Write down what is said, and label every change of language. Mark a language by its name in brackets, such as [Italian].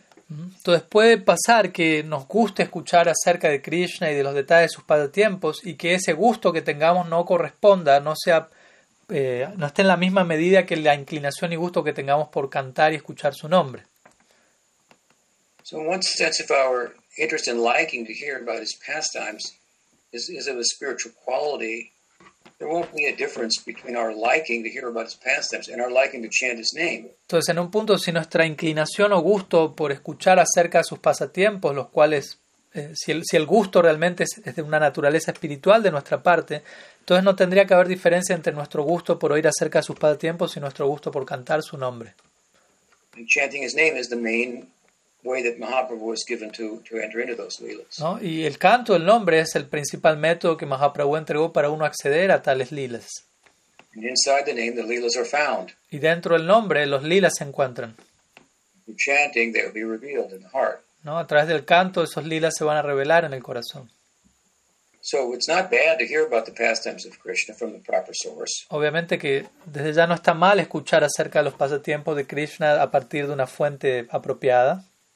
[Spanish] Entonces puede pasar que nos guste escuchar acerca de Krishna y de los detalles de sus pasatiempos y que ese gusto que tengamos no corresponda, no sea, no esté en la misma medida que la inclinación y gusto que tengamos por cantar y escuchar su nombre. [English] So in one sense, if our interest in liking to hear about his pastimes is of a spiritual quality, there won't be a difference between our liking to hear about his pastimes and our liking to chant his name. [Spanish] Entonces, en un punto, si nuestra inclinación o gusto por escuchar acerca de sus pasatiempos, los cuales, si el gusto realmente es de una naturaleza espiritual de nuestra parte, entonces no tendría que haber diferencia entre nuestro gusto por oír acerca de sus pasatiempos y nuestro gusto por cantar su nombre. [English] And chanting his name is the main way that Mahaprabhu was given to enter into those lilas. [Spanish] No, y el canto, el nombre, es el principal método que Mahaprabhu entregó para uno acceder a tales lilas. [English] And inside the name, the lilas are found. [Spanish] Y dentro del nombre, los lilas se encuentran. [English] In chanting, they will be revealed in the heart. [Spanish] No, a través del canto, esos lilas se van a revelar en el corazón. [English] So it's not bad to hear about the pastimes of Krishna from the proper source. [Spanish] Obviamente que desde ya no está mal escuchar acerca de los pasatiempos de Krishna a partir de una fuente apropiada.